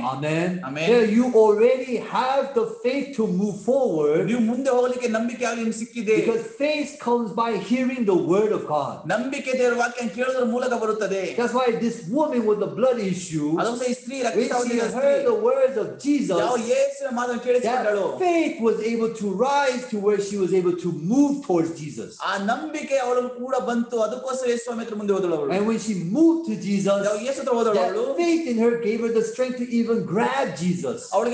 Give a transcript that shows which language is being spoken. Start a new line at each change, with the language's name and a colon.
English: Amen. Amen. Yeah, you already have the faith to move forward.
Kannada: ನೀವು ಮುಂದೆ ಹೋಗಲಿಕ್ಕೆ ನಂಬಿಕೆ ಆಗಲಿ ನಿಮ್ಗೆ ಸಿಕ್ಕಿದೆ.
English: Because faith comes by hearing the word of God.
Kannada: ನಂಬಿಕೆ ದೇವರ ವಾಕ್ಯ ಕೇಳುವುದರ ಮೂಲಕ ಬರುತ್ತದೆ.
English: That's why this woman with the blood issue.
Kannada: ಅದೊಂದು ಈ ಸ್ತ್ರೀ ರಕ್ತವಾಗಿ ಹೇಳಿದ
English: Words of Jesus. Jesus, faith was able to rise to where she was able to move towards Jesus. And when she moved to Jesus, that faith in her gave her the strength to even grab Jesus.